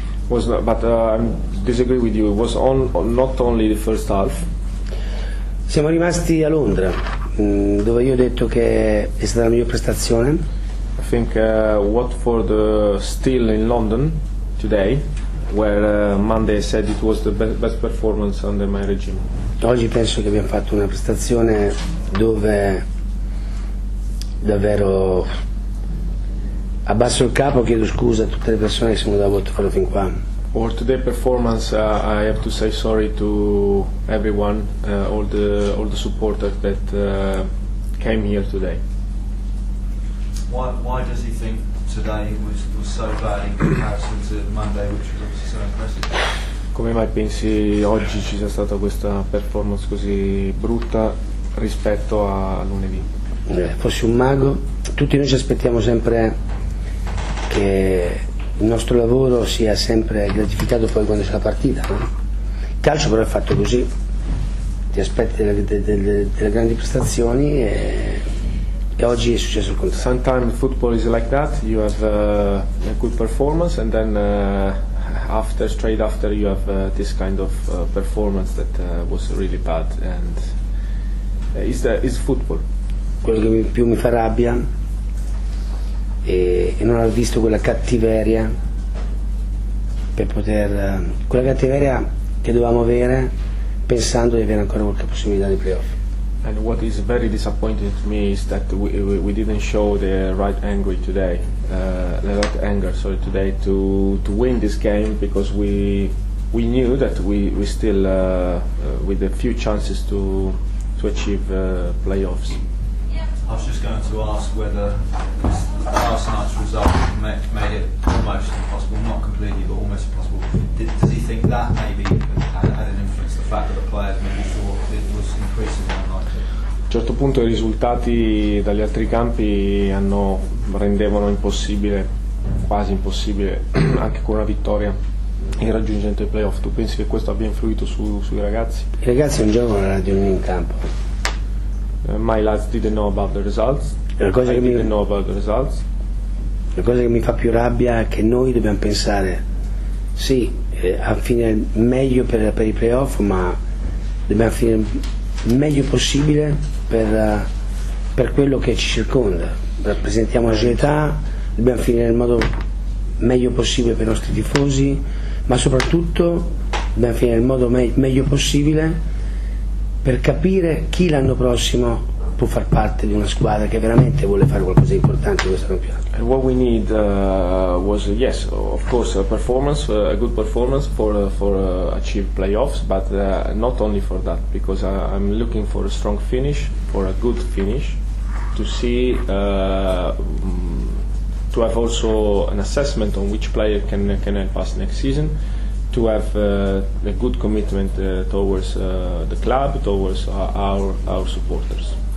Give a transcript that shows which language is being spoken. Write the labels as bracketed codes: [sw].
[en] Was not, but I disagree with you. It was on not only the first half. [it] Siamo rimasti a Londra, dove io ho detto che è stata la migliore prestazione. [en] I think Watford still in London today, where Monday said it was the best performance under my regime. [it] Oggi penso che abbiamo fatto una prestazione dove davvero abbasso il capo, chiedo scusa a tutte le persone che sono da Watford fin qua. [en] Or today performance, I have to say sorry to everyone, all the supporters that came here today. Why does he think today was so bad in comparison to Monday, which was obviously so impressive? [it] Come mai pensi oggi ci sia stata questa performance così brutta rispetto a lunedì? Fossi un mago, tutti noi ci aspettiamo sempre che il nostro lavoro sia sempre gratificato poi quando c'è la partita, no? Il calcio però è fatto così, ti aspetti delle grandi prestazioni e oggi è successo il contrario. [en] Sometimes football is like that, you have a good performance and then straight after you have this kind of performance that was really bad, and is football. [it] Quello che più mi fa rabbia e non aver visto quella cattiveria per poter quella cattiveria che dovevamo avere pensando di avere ancora qualche possibilità di playoff. [en] And what is very disappointing to me is that we didn't show the right anger today, today to win this game, because we knew that we still with a few chances to achieve playoffs. I was just going to ask whether last night's result made it almost impossible, not completely, but almost impossible. Does he think that maybe had an influence, the fact that the players maybe thought it was increasingly unlikely? [it] A un certo punto i risultati dagli altri campi rendevano impossibile, quasi impossibile, anche con una vittoria il raggiungimento dei playoff. Tu pensi che questo abbia influito sui ragazzi? I ragazzi non giocano la radio in campo. [en] My lads didn't know about the results. [it] La cosa che mi fa più rabbia è che noi dobbiamo pensare, sì, a fine meglio per i playoff, ma dobbiamo finire meglio possibile per quello che ci circonda. Rappresentiamo la società, dobbiamo finire nel modo meglio possibile per i nostri tifosi, ma soprattutto dobbiamo finire nel modo meglio possibile per capire chi l'anno prossimo può far parte di una squadra che veramente vuole fare qualcosa di importante in questo campionato. [en] And what we need was, yes, of course, a good performance for achieve playoffs, but not only for that, because I'm looking for a strong finish, for a good finish, to see, to have also an assessment on which player can help us next season, to have a good commitment towards the club, towards our supporters.